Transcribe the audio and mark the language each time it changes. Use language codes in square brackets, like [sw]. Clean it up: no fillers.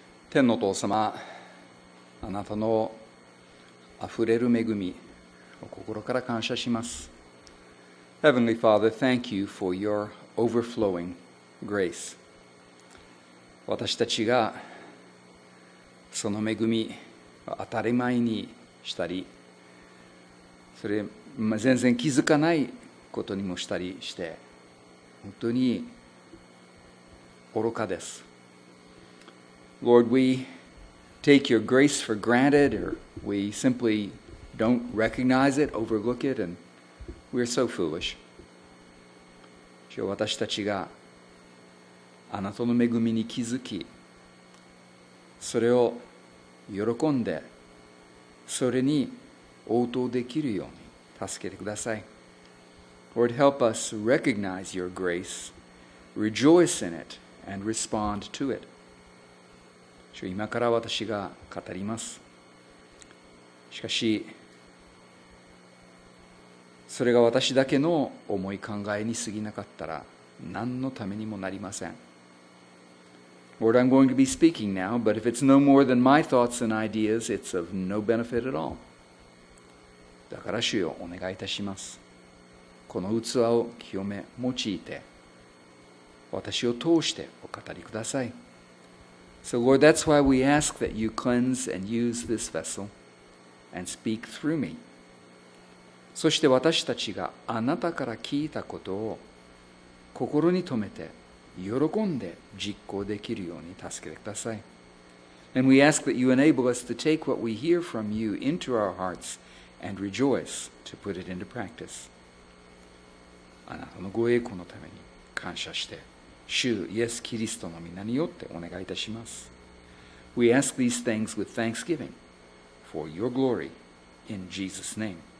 [ja] 天の父様、あなたのあふれる恵みを心から感謝します。 [en] Heavenly Father, thank you for your overflowing grace. [ja] 私たちがその恵み当たり前にしたり、それ全然気づかないことにもしたりして、本当に愚かです。 [en] Lord, we take your grace for granted, or we simply don't recognize it, overlook it, and we're so foolish. [ja] 主よ、私たちがあなたの恵みに気づき、それを喜んで、それに応答できるように助けてください。 [en] Lord, help us recognize your grace, rejoice in it, and respond to it. [ja] 主、今から私が語ります。しかし、それが私だけの思い考えに過ぎなかったら、何のためにもなりません。 [en] Lord, I'm going to be speaking now, but if it's no more than my thoughts and ideas, it's of no benefit at all. [ja] だから主よ、お願いいたします。この器を清め用いて、私を通してお語りください。 [en] So Lord, that's why we ask that you cleanse and use this vessel and speak through me. [ja] そして私たちがあなたから聞いたことを心に留めて、喜んで実行できるように助けてください。 [en] And we ask that you enable us to take what we hear from you into our hearts and rejoice to put it into practice. [ja] あなたのご栄光のために感謝して、主イエス・キリストの御名によってお願いいたします。 [en] We ask these things with thanksgiving for your glory in Jesus' name.